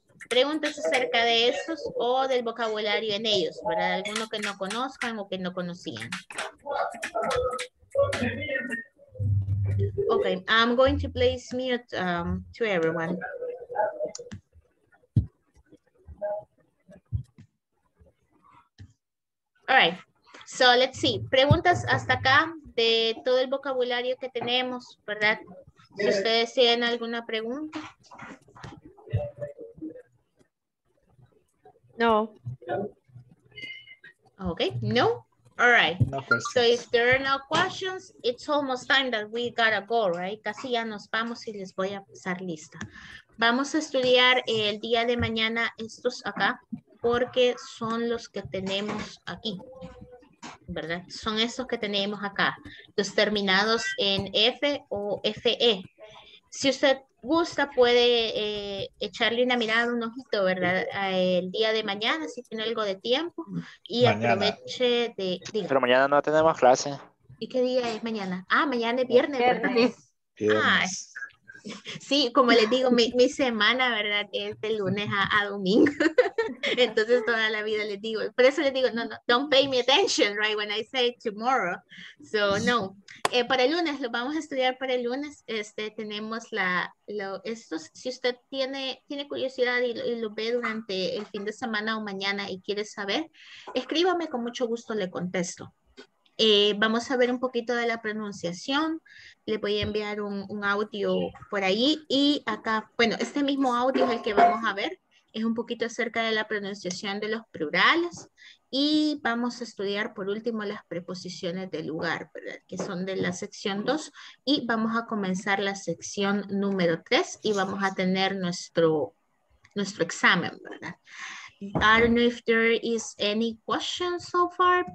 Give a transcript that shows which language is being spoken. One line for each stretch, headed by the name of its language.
Spanish: Preguntas acerca de esos o del vocabulario en ellos, para alguno que no conozcan o que no conocían.
English: Okay, I'm going to place mute to everyone. All right, so let's see.
Spanish: Preguntas hasta acá de todo el vocabulario que tenemos, ¿verdad? Si ustedes tienen alguna pregunta. No.
English: Okay, no? All right. No, so if there are no questions, it's almost time that we gotta go, right?
Spanish: Casi ya nos vamos y les voy a pasar lista. Vamos a estudiar el día de mañana estos acá. Porque son los que tenemos aquí, ¿verdad? Son estos que tenemos acá, los terminados en F o FE. Si usted gusta, puede echarle una mirada, un ojito, ¿verdad? El día de mañana, si tiene algo de tiempo. Y mañana. Aproveche de... Diga. Pero mañana no tenemos clase. ¿Y qué día es mañana? Ah, mañana es viernes, ¿verdad? Viernes. Sí, como les digo, mi semana, ¿verdad? Es de lunes a domingo. Entonces, toda la vida les digo. Por eso les digo, no,
English: don't pay me attention, right? When I say tomorrow. So, no.
Spanish: Para el lunes, lo vamos a estudiar para el lunes. Tenemos estos, si usted tiene curiosidad y lo ve durante el fin de semana o mañana y quiere saber, escríbame, con mucho gusto le contesto. Vamos a ver un poquito de la pronunciación. Le voy a enviar un audio por ahí y acá, bueno, este mismo audio es el que vamos a ver, es un poquito acerca de la pronunciación de los plurales y vamos a estudiar por último las preposiciones de lugar, ¿verdad? Que son de la sección 2 y vamos a comenzar la sección número 3 y vamos a tener nuestro examen, ¿verdad?
English: I don't know if there is any questions so far.